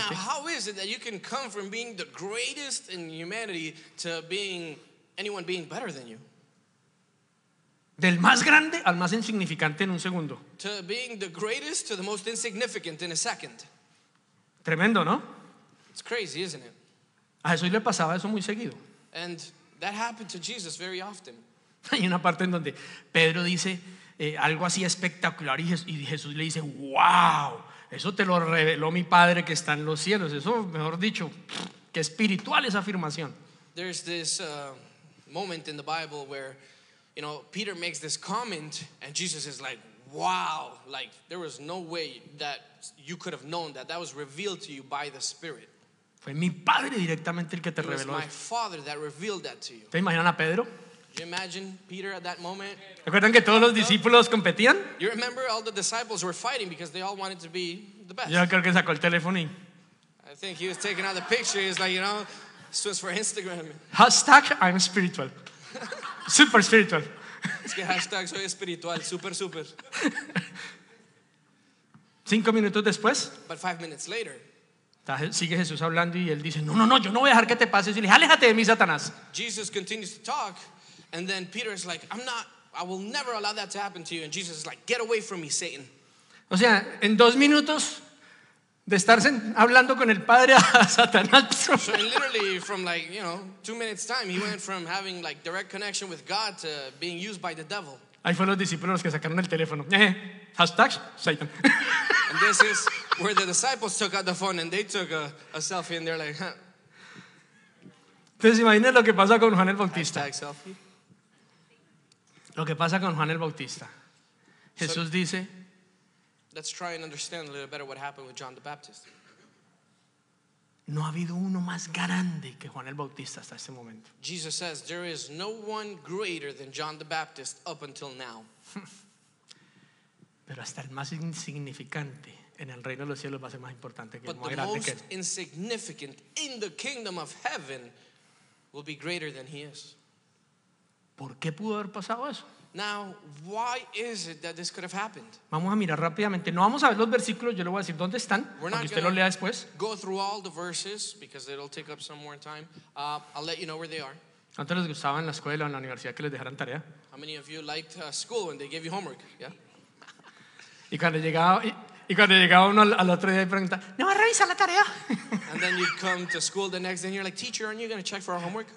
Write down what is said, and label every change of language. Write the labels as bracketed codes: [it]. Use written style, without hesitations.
[en] Now, how is it that you can come from being the greatest in humanity to being anyone being better than you? [es] Del más grande al más insignificante en un segundo. [en] To being the greatest to the most insignificant in a second. [es] Tremendo, ¿no? [en] It's crazy, isn't it? [es] A Jesús le pasaba eso muy seguido. [en] And that happened to Jesus very often. [es] Hay una parte en donde Pedro dice algo así espectacular y Jesús le dice, wow, eso te lo reveló mi Padre que está en los cielos. Eso, mejor dicho, qué espiritual esa afirmación. [en] There's this moment in the Bible where, you know, Peter makes this comment and Jesus is like, wow, like there was no way that you could have known that. That was revealed to you by the Spirit. [es] Fue mi Padre directamente el que te reveló. [en] It was my Father that revealed that to you. [es] ¿Te imaginan a Pedro? [en] Do you imagine Peter at that moment? [es] ¿Recuerdan que todos los discípulos competían? [en] You remember all the disciples were fighting because they all wanted to be the best. [es] Yo creo que sacó el teléfono y... [en] I think he was taking out the picture. He's like, you know, this was for Instagram. Hashtag I'm spiritual. Super spiritual. [es] Es que hashtag soy espiritual. Super, super. 5 minutos después. [en] But 5 minutes later. [es] Sigue Jesús hablando y él dice, no, no, no, yo no voy a dejar que te pases. Y le dice, aléjate de mí, Satanás. [en] Jesus continues to talk. And then Peter is like, I will never allow that to happen to you. And Jesus is like, get away from me, Satan. [es] O sea, en 2 minutos de estar hablando con el Padre a Satanás. [en] So literally from like, you know, 2 minutes time, he went from having like direct connection with God to being used by the devil. [es] Ahí fueron los discípulos los que sacaron el teléfono. [en] Hashtag Satan. And this is where the disciples took out the phone and they took a selfie and they're like, huh. [es] Entonces imaginen lo que pasa con Juan el Bautista. [en] Hashtag selfie. [es] Lo que pasa con Juan el Bautista. Jesús dice, [en] let's try and understand a little better what happened with John the Baptist. [es] No ha habido uno más grande que Juan el Bautista hasta este momento. [en] Jesus says there is no one greater than John the Baptist up until now. [es] Pero hasta el más insignificante en el reino de los cielos va a ser más importante que [en] But [es] el más grande que él. [en] But the most insignificant in the kingdom of heaven will be greater than he is. [es] ¿Por qué pudo haber pasado eso? [en] Now, why is it that this could have happened? [es] Vamos a mirar rápidamente. No vamos a ver los versículos. Yo le voy a decir dónde están. [en] We're not [es] que usted lo lea después. [en] Go through all the verses because it'll take up some more time. I'll let you know where they are. [es] ¿Cuántos les gustaba en la escuela o en la universidad que les dejaran tarea? [en] How many of you liked school when they gave you homework? Yeah. [es] Y cuando llegaba uno al otro día y pregunta, ¿no va a revisar la tarea? [en] And then you come to school the next day and you're like, teacher, aren't you going to check for our homework?